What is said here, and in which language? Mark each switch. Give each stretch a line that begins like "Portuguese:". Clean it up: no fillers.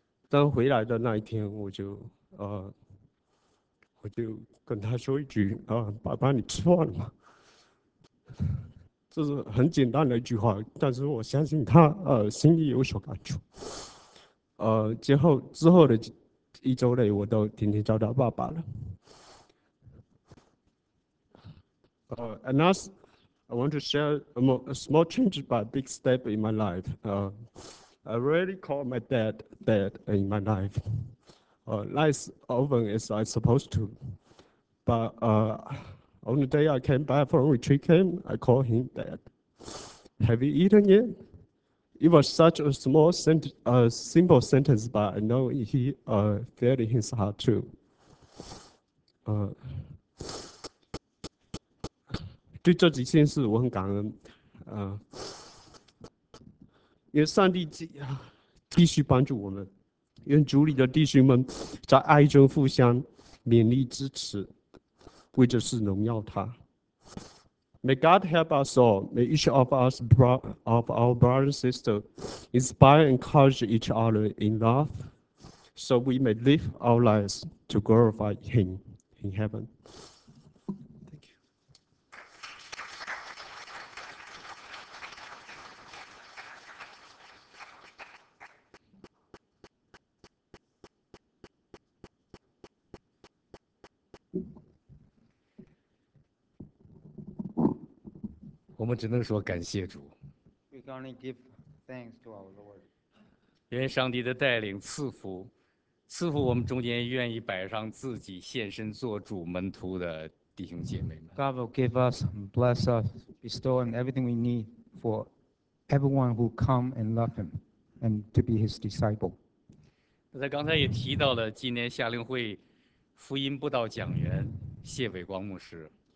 Chinese: 但回来的那一天，我就跟他说一句：“爸爸，你吃饭了吗？” 这是很简单的一句话，但是我相信他心里有所感触。之后的一周内，我都天天找到爸爸了。
English: And as I want to share a small change but big step in my life. I really call my dad in my life. Not as often as I supposed to. But on the day I came back from retreat camp, I called him dad. Have you eaten yet? It was such a small, simple sentence, but I know he felt in his heart too. To these
Chinese: 几件事，我很感恩。愿上帝继续帮助我们，愿主里的弟兄们在爱中互相勉励支持，为的是荣耀他。
English: May God help us all. May each of us, of our brothers and sisters, inspire and encourage each other in love, so we may live our lives to glorify Him in heaven. Thank you.
Chinese: 我们只能说感谢主。
English: We can only give thanks to our Lord.
Chinese: 愿上帝的带领赐福我们中间愿意摆上自己献身做主门徒的弟兄姐妹们。
English: God will give us, bless us, bestow on everything we need for everyone who come and love Him and to be His disciple.
Chinese: 那在刚才也提到了今年夏令会福音布道讲员谢伟光牧师。